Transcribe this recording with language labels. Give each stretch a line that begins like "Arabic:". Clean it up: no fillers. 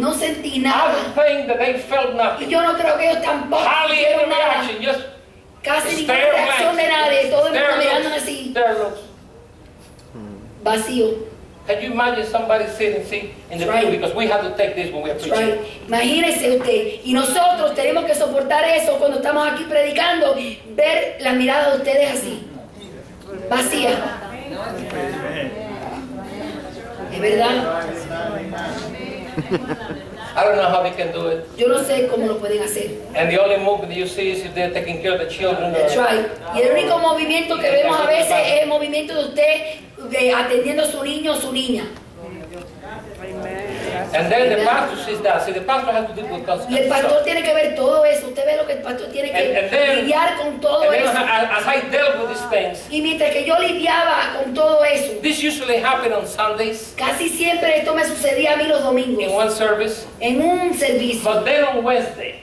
Spanish: No sentí nada.
English: I think that they felt nothing.
Spanish: Y yo no creo que ellos tampoco.
English: Hardly any
Spanish: nada.
English: Reaction, just
Spanish: casi ninguna reacción de nadie. Todo el mundo mirándome así. Vacío.
English: Can you imagine somebody sitting in the pew because we have to take this when we are preaching? Right.
Spanish: Imagínese usted y nosotros tenemos que soportar eso cuando estamos aquí predicando, ver la mirada de ustedes así, vacía. ¿Es verdad?
English: I don't know how they can do it.
Spanish: Yo no sé cómo lo pueden hacer.
English: And the only move that you see is if they're taking care of the children. That's right.
Spanish: Y el único movimiento que vemos a veces es el movimiento de usted atendiendo a su niño o su niña.
English: And then the pastor sees that. See, the pastor has to deal with constant.
Spanish: Y el pastor tiene que ver todo eso. Usted ve lo que el pastor tiene que lidiar con todo eso.
English: As I dealt with these things.
Spanish: Y mientras que yo lidiaba con todo eso.
English: This usually happened on Sundays.
Spanish: Casi siempre esto me sucedía a mí los domingos.
English: In one service.
Spanish: En un servicio.
English: But then on Wednesday.